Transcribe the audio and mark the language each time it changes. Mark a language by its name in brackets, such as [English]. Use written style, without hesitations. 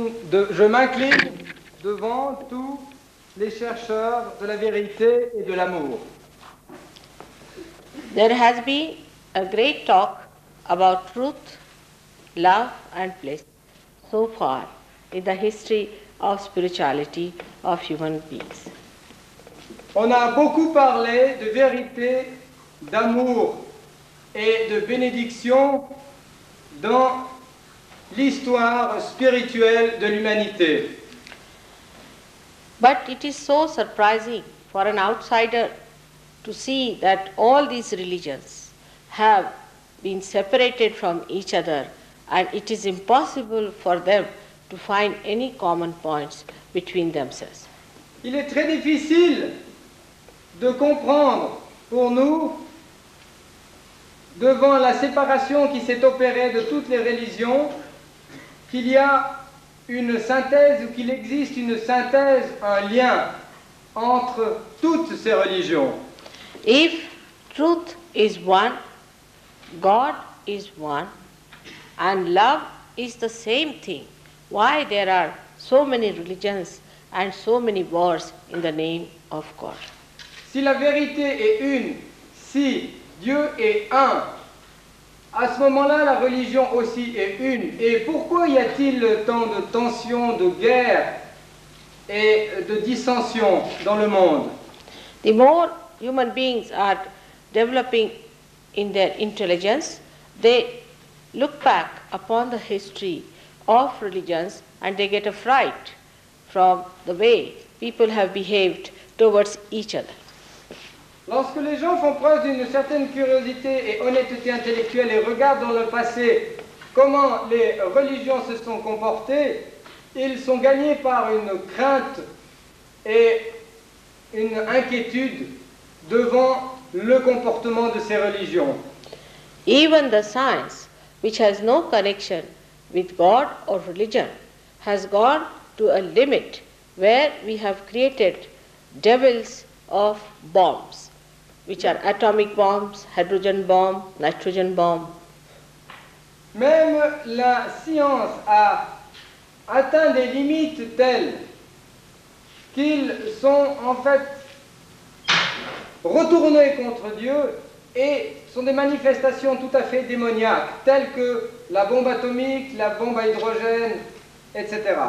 [French] Je m'incline devant tous les chercheurs de la vérité et de l'amour. [English] There has been a great talk about truth, love and bliss so far in the history of spirituality of human beings. [French] On a beaucoup parlé de vérité, d'amour et de bénédiction dans l'histoire spirituelle de l'humanité. [English] But it is so surprising for an outsider to see that all these religions have been separated from each other, and it is impossible for them to find any common points between themselves. [French] Il est très difficile de comprendre pour nous, devant la séparation qui s'est opérée de toutes les religions, qu'il y a une synthèse ou qu'il existe une synthèse, un lien entre toutes ces religions. [English] If truth is one, God is one, and love is the same thing, why there are so many religions and so many wars in the name of God? [French] Si la vérité est une, si Dieu est un, à ce moment-là, la religion aussi est une. Et pourquoi y a-t-il tant de tensions, de guerres et de dissensions dans le monde? [English] The more human beings are developing in their intelligence, they look back upon the history of religions and they get a fright from the way people have behaved towards each other. [French] Lorsque les gens font preuve d'une certaine curiosité et honnêteté intellectuelle et regardent dans le passé comment les religions se sont comportées, ils sont gagnés par une crainte et une inquiétude devant le comportement de ces religions. [English] Even the science, which has no connection with God or religion, has gone to a limit where we have created devils of bombs, which are atomic bombs, hydrogen bomb, nitrogen bomb. [French] Même la science a atteint des limites telles qu'ils sont en fait retournés contre Dieu et sont des manifestations tout à fait démoniaques, telles que la bombe atomique, la bombe à hydrogène, etc.